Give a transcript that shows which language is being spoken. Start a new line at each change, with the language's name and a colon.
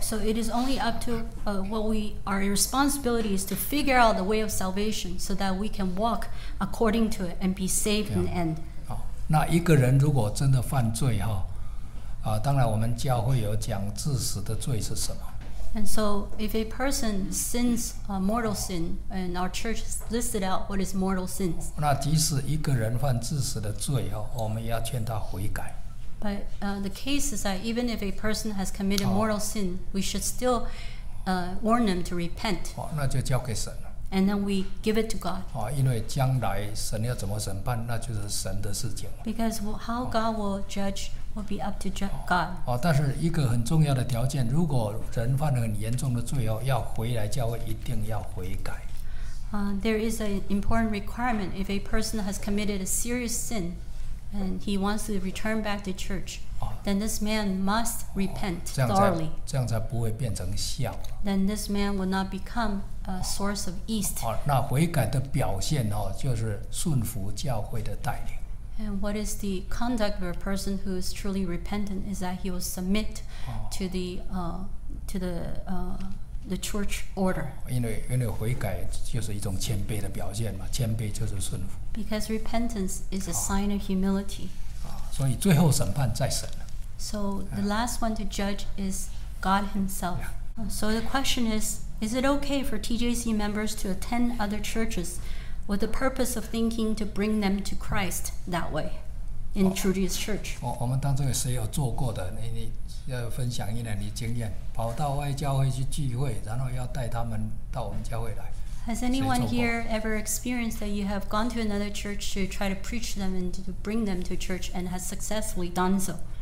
English: So it is only up to our responsibility is to figure out the way of salvation so that we can walk according to it and be saved in the end.
Chinese: 那一个人如果真的犯罪， 当然我们教会有讲致死的罪是什么。
English: And so if a person sins a mortal sin, and our church listed out what is mortal sins.
Chinese: 那即使一个人犯致死的罪， 我们要劝他悔改。
English: But the case is that even if a person has committed mortal sin, we should still warn them to repent.
Chinese: 那就交给神了。
English: And then we give it to God.
Chinese: 因为将来神要怎么审判， 那就是神的事情。
English: Because how God will judge will be up to God.
Chinese: 但是一个很重要的条件， 如果人犯了很严重的罪， 要回来教会一定要悔改。
English: There is an important requirement. If a person has committed a serious sin and he wants to return back to church, then this man must repent thoroughly.
Chinese: 这样才不会变成笑。
English: Then this man will not become a source of yeast.
Chinese: 那悔改的表现， 就是顺服教会的带领。
English: And what is the conduct of a person who is truly repentant is that he will submit to the church order.
Chinese: 因为悔改就是一种谦卑的表现嘛， 谦卑就是顺服。
English: Because repentance is a sign of humility.
Chinese: 所以最后审判在神。
English: So the last one to judge is God himself. So the question is it okay for TJC members to attend other churches with the purpose of thinking to bring them to Christ that way in Trudy's church?
Chinese: 我们当中有谁有做过的，你要分享一点你经验，跑到外教会去聚会，然后要带他们到我们教会来。
English: Has anyone here ever experienced that you have gone to another church to try to preach them and to bring them to church and has successfully done so?